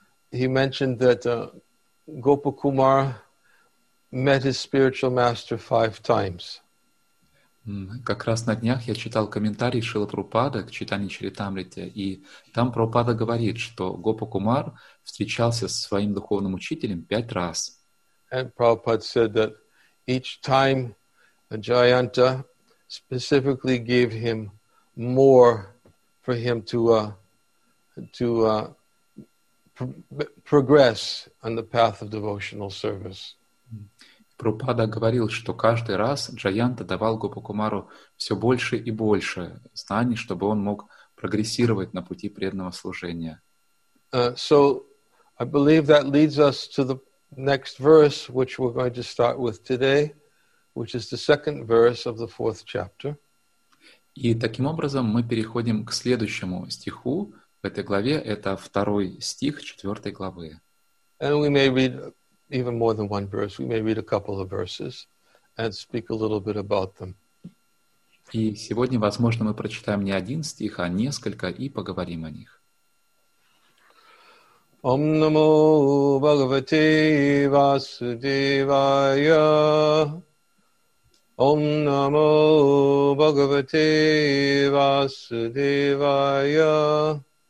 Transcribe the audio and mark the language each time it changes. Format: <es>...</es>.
<en>He mentioned that Gopakumar met his spiritual master 5 times.</en> <ru>Как раз на днях я читал комментарий Шрилы Прабхупады к Чайтанья Чаритамрите, и там Прабхупада говорит, что Гопакумар встречался со своим духовным учителем 5 раз.</ru> <en>And Prabhupada said that each time Jayanta specifically gave him more for him to progress on the path of devotional service.</en> <ru>Прабхупада говорил, что каждый раз Джаянта давал Гопакумару все больше и больше знаний, чтобы он мог прогрессировать на пути преданного служения.</ru> <en>So, I believe that leads us to the next verse, which we're going to start with today, which is the second verse of the 4th chapter.</en> <ru>И таким образом мы переходим к следующему стиху в этой главе. Это 2-й стих 4-й главы.</ru> <en>And we may read even more than one verse. We may read a couple of verses and speak a little bit about them.</en> <ru>И сегодня, возможно, мы прочитаем не один стих, а несколько и поговорим о них.</ru> <sa>Ом намо Бхагавате Васудевая. Ом намо Бхагавате Васудевая.</sa>